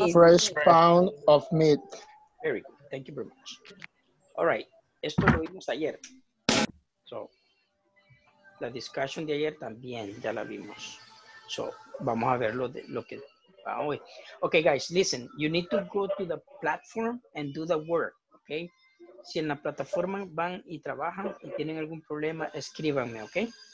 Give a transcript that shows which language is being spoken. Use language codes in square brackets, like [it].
[en] Please go to the butcher and get me a fresh pound of meat. Very good. Thank you very much. All right. [es] Esto lo vimos ayer. So, la discusión de ayer también ya la vimos. So, vamos a ver lo que... [en] Okay, guys, listen. You need to go to the platform and do the work, okay? [es] Si en la plataforma van y trabajan y tienen algún problema, escríbanme, okay?